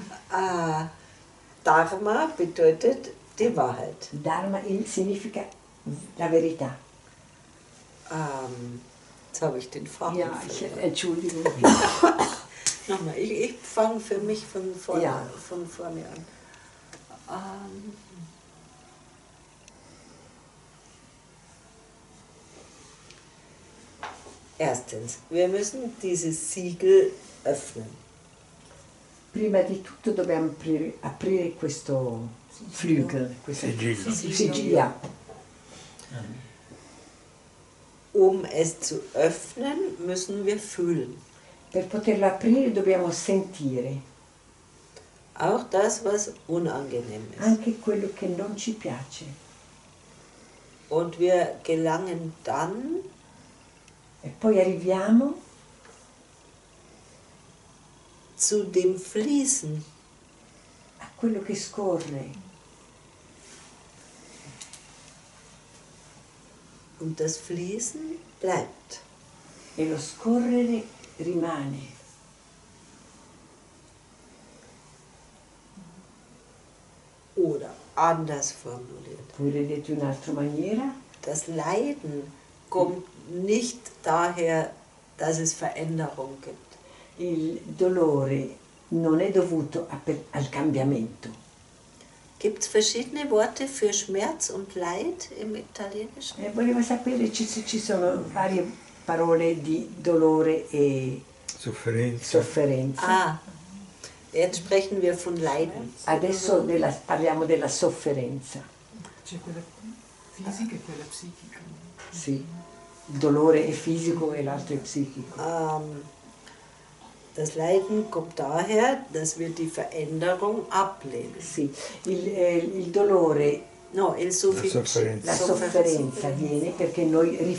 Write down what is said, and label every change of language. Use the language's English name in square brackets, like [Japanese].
[German] Dharma bedeutet die Wahrheit. [Italian] Dharma significa la verità. [German] Jetzt habe ich den Faden. Ja, Entschuldigung. Nochmal, ich fange für mich von vorne an. Erstens, wir müssen dieses Siegel öffnen. [Italian] prima di tutto dobbiamo aprire questo flügel, questo sigillo. [German] Um es zu öffnen, müssen wir fühlen. [Italian] Per poterlo aprire dobbiamo sentire. [German] Auch das, was unangenehm ist. [Italian] Anche quello che non ci piace. [German] Und wir gelangen dann. [Italian] E poi arriviamo. [German] Zu dem Fließen. [Italian] A quello che scorre. [German] Und das Fließen bleibt. [Italian] E lo scorrere rimane. [German] Oder anders formuliert. [Italian] Pure detto in altra maniera. [German] Das Leiden kommt nicht daher, dass es Veränderung gibt. [Italian] Il dolore non è dovuto al cambiamento. [German] Gibt es verschiedene Worte für Schmerz und Leid im Italienischen? [Italian] Volevo sapere se ci sono varie parole di dolore e sofferenza. [German] Ah, jetzt sprechen wir von Leiden. [Italian] Adesso parliamo della sofferenza. C'è quella fisica e quella psichica. Sì, il dolore è fisico e l'altro è psichico. [German] Das Leiden kommt daher, dass wir die Veränderung ablehnen. [Italian] Sì, il dolore, no, il sofferenza. La sofferenza viene perché noi